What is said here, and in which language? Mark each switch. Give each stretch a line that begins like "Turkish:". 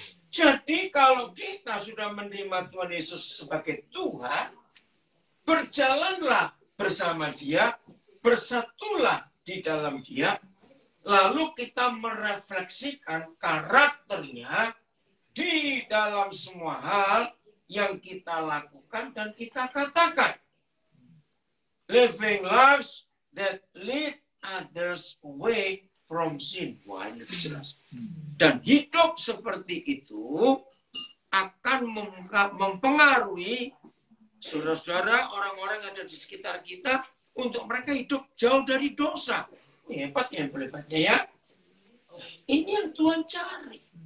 Indonesian: Jadi kalau kita sudah menerima Tuhan Yesus sebagai Tuhan, berjalanlah bersama Dia, bersatulah di dalam Dia, lalu kita merefleksikan karakternya di dalam semua hal yang kita lakukan dan kita katakan.
English: Living lives that lead others away from sin.
Indonesian: Wah, ini jelas. Dan hidup seperti itu akan mempengaruhi saudara-saudara, orang-orang yang ada di sekitar kita untuk mereka hidup jauh dari dosa. Ini hebat yang boleh baca ya. Ini yang Tuhan cari.